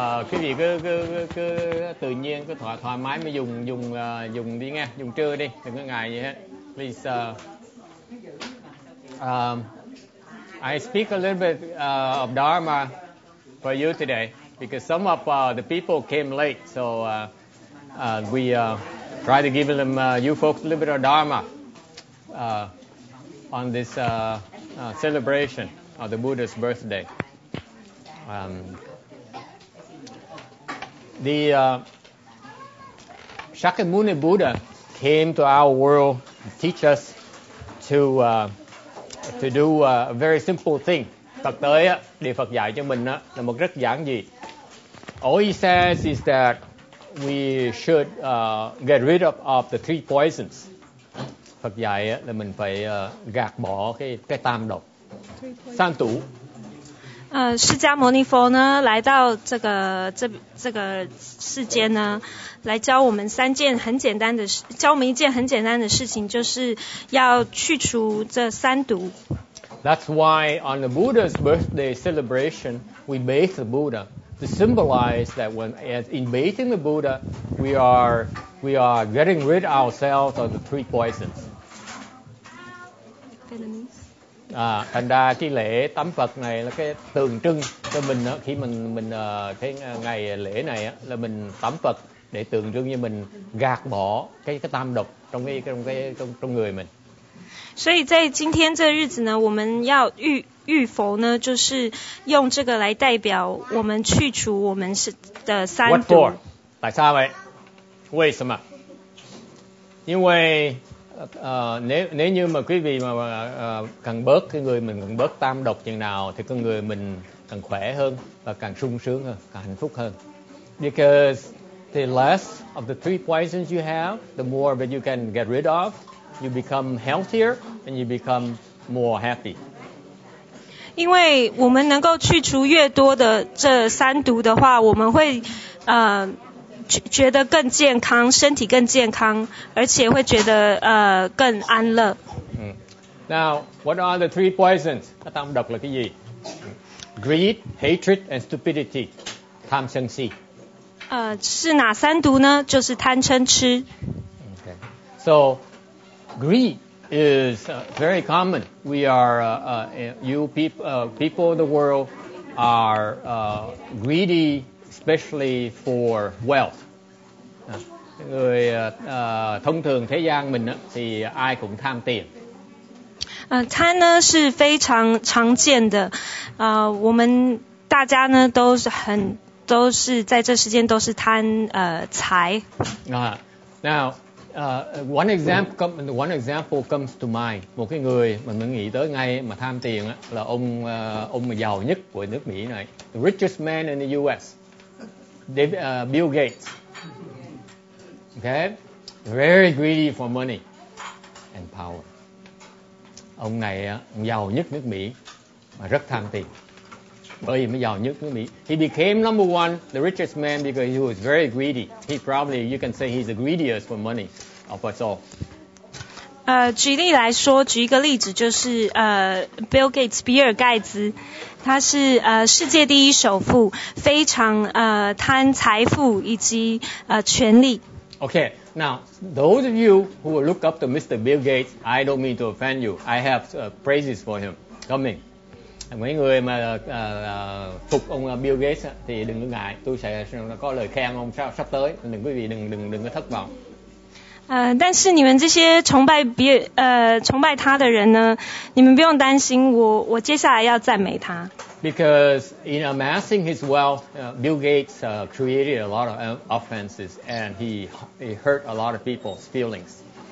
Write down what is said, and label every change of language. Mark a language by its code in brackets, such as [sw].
[vi] Quý vị cứ tự nhiên cứ thoải mái mà dùng đi nghe, dùng trưa đi, đừng có ngại gì hết. [en] Please. I speak a little bit of Dharma for you today because some of the people came late, so we try to give them you folks a little bit of Dharma on this celebration of the Buddha's birthday. The Shakyamuni Buddha came to our world to teach us to do a very simple thing. [vi] Thật tới á, điều Phật dạy cho mình á là một rất giản dị. [en] All he says is that we should get rid of the three poisons. [vi] Phật dạy á là mình phải gạt bỏ cái tam độc, san tủ. [zh] 释迦牟尼佛呢来到这个世间呢，来教我们三件很简单的事，教我们一件很简单的事情，就是要去除这三毒。 [en] That's why on the Buddha's birthday celebration, we bathe the Buddha to symbolize that when in bathing the Buddha, we are getting rid ourselves of the three poisons. [vi] Thành ra cái lễ tắm Phật này là cái tượng trưng cho mình đó, khi mình cái ngày lễ này đó, là mình tắm Phật để tượng trưng như mình gạt bỏ cái tam độc trong người mình. [zh] 所以在今天这日子呢，我们要浴佛呢，就是用这个来代表我们去除我们的三毒。 [en] What for? [zh] 来查呗。为什么？因为 [vi] nếu như mà quý vị mà cần bớt cái người mình cần bớt tam độc chừng nào thì con người mình càng khỏe hơn và càng sung sướng hơn, càng hạnh phúc hơn. [en] Because the less of the three poisons you have, the more that you can get rid of, you become healthier and you become more happy. [zh] 因为我们能够去除越多的这三毒的话，我们会觉得更健康，身体更健康，而且会觉得更安乐。 [en] Now, what are the three poisons? [zh] 贪毒是什么 [en] ？Greed, hatred, and stupidity. [zh] 贪嗔痴。是哪三毒呢？就是贪嗔痴。 [en] Okay. So, greed is very common. We are people of the world are greedy, especially for wealth. [vi] Người thông thường thế gian mình thì ai cũng tham tiền. [zh] Tham 呢是非常常见的，我们大家呢都是在这时间都是贪财。 [en] Now, one example comes to mind. [zh] 某个 [vi] người mà mình nghĩ tới ngay mà tham tiền là ông giàu nhất của nước Mỹ này, [en] the richest man in the U.S. Bill Gates. Okay, very greedy for money and power. [vi] Ông này giàu nhất nước Mỹ mà rất tham tiền. bởi vì giàu nhất nước Mỹ. [en] He became number one, the richest man, because he was very greedy. He probably, you can say he's the greediest for money of us all. [zh] 举例来说，举一个例子，就是Bill Gates， 比尔盖茨，他是世界第一首富，非常贪财富以及权力。 [en] Okay, now those of you who look up to Mr. Bill Gates, I don't mean to offend you. I have praises for him coming. [vi] Mấy người mà phục ông Bill Gates thì đừng có ngại, tôi sẽ có lời khen ông sắp tới. Đừng quý vị đừng có thất vọng. [zh] 但是你们这些崇拜崇拜他的人呢，你们不用担心，我接下来要赞美他。 [en] Because in amassing his wealth, Bill Gates created a lot of offenses and he hurt a lot of people's feelings.